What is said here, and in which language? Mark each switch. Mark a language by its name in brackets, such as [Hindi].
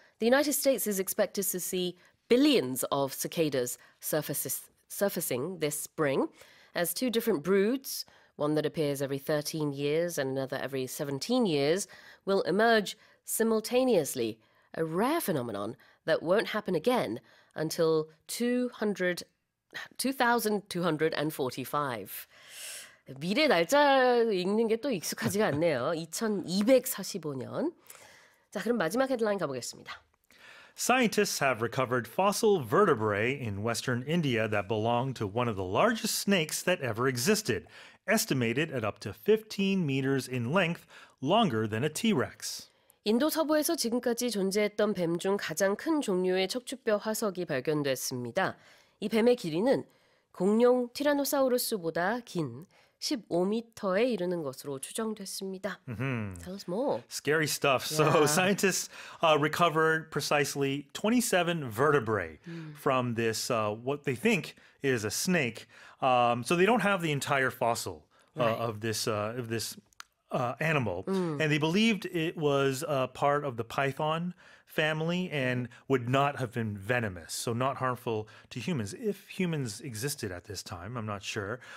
[English] The United States is expected to see billions of cicadas surfacing this spring as two different broods, one that appears every 13 years and another every 17 years, will emerge simultaneously, a rare phenomenon that won't happen again until 2245. [Korean] 미래 날짜를 읽는 게 또 익숙하지가 않네요. 2245년. 자, 그럼 마지막 헤드라인 가보겠습니다. [English] Scientists have recovered fossil vertebrae in western India that belong to one of the largest snakes that ever existed, estimated at up to 15 meters in length, longer than a T-Rex. [Korean] 인도 서부에서 지금까지 존재했던 뱀 중 가장 큰 종류의 척추뼈 화석이 발견됐습니다. 이 뱀의 길이는 공룡 티라노사우루스보다 긴 15m에 이르는 것으로 추정됐습니다. [English] Mm-hmm. Tell us more. Scary stuff. Yeah. So scientists recovered precisely 27 vertebrae from this, what they think is a snake. So they don't have the entire fossil of this animal. And they believed it was a part of the python family and would not have been venomous, so not harmful to humans, if humans existed at this time, I'm not sure.